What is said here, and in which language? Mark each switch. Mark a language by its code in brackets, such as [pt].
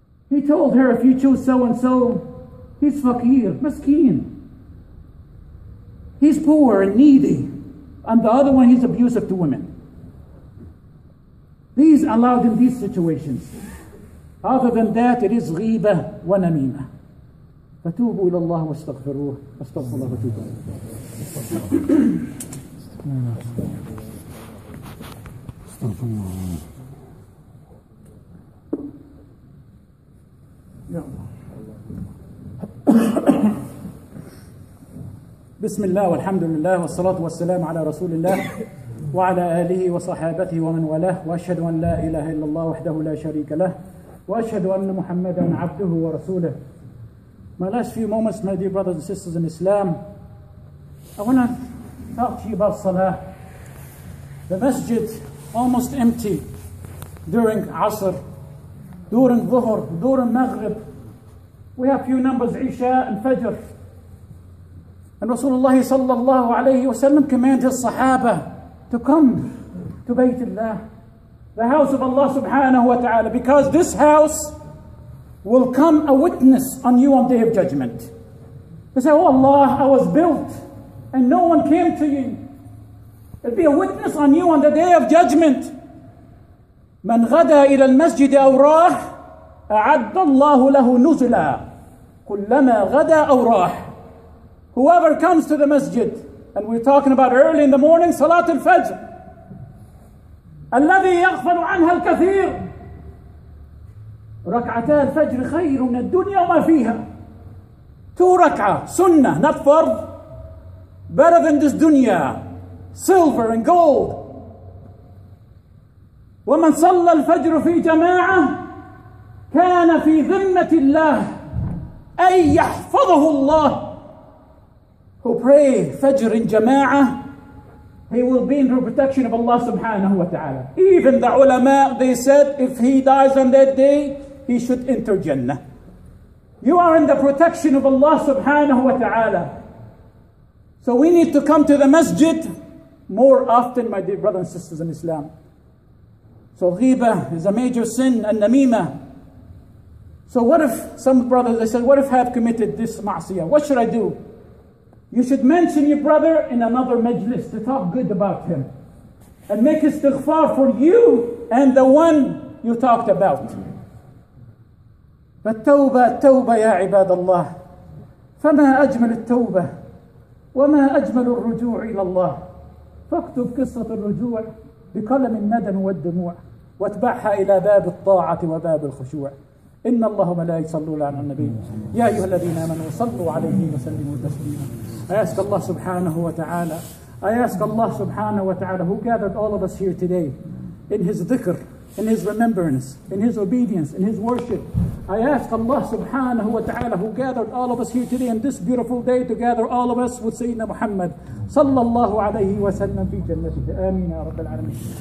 [en] He told her, if you choose so and so, he's fakir, maskeen. He's poor and needy. And the other one, he's abusive to women. These allowed in these situations. Other than that, it is ghiba wa namima. [ar] فتوبوا إلى الله واستغفروه. استغفر الله وتوب. استغفر الله. يا الله. بسم الله والحمد لله والصلاة والسلام على رسول الله وعلى آله وصحابته ومن والاه وأشهد أن لا إله إلا الله وحده لا شريك له وأشهد أن محمدا عبده ورسوله. [en] My last few moments, my dear brothers and sisters in Islam, I want to talk to you about Salah. The masjid almost empty during Asr, during Dhuhr, during Maghrib. We have few numbers, Isha and Fajr. And Rasulullah sallallahu alayhi wa sallam commanded his Sahaba to come to Baytullah, the house of Allah subhanahu wa ta'ala, because this house will come a witness on you on Day of Judgment. They say, oh Allah, I was built and no one came to you. It'll be a witness on you on the Day of Judgment. [ar] من غدا إلى المسجد أو راح أعد الله له نزلا كلما غدا أو راح. [en] Whoever comes to the masjid, and we're talking about early in the morning, Salat al-Fajr. [ar] الَّذِي يَغْفَلُ عَنْهَا الْكَثِيرُ. ركعتي الفجر خير من الدنيا وما فيها. [en] Two rak'ah, sunnah, not fard, better than this dunya, silver and gold. [ar] وَمَنْ صَلَّى الْفَجْرُ فِي جَمَاعَةٍ كَانَ فِي ذِمَّةِ اللَّهِ أَنْ يَحْفَظَهُ اللَّهُ. [en] Who pray fajr in jama'ah, he will be in the protection of Allah subhanahu wa ta'ala. Even the ulama, they said, if he dies on that day, he should enter Jannah. You are in the protection of Allah subhanahu wa ta'ala. So we need to come to the masjid more often, my dear brothers and sisters in Islam. So ghiba is a major sin, and namima. So what if some brothers, they said, what if I have committed this ma'asiyah? What should I do? You should mention your brother in another majlis to talk good about him and make istighfar for you and the one you talked about. [ar] فالتوبة التوبة يا عباد الله فما أجمل التوبة وما أجمل الرجوع إلى الله فاكتب قصة الرجوع بقلم الندم والدموع واتبعها إلى باب الطاعة وباب الخشوع. إن الله ملائكة صلوا على النبي يا أيها الذين آمنوا صلوا عليه وسلموا تسليما. [en] I ask Allah subhanahu wa ta'ala, I ask Allah subhanahu wa ta'ala, who gathered all of us here today in his dhikr, in his remembrance, in his obedience, in his worship. I ask Allah subhanahu wa ta'ala, who gathered all of us here today in this beautiful day, to gather all of us with Sayyidina Muhammad sallallahu alayhi wa sallam fi jannatika. Ameen ya rabbal alameen.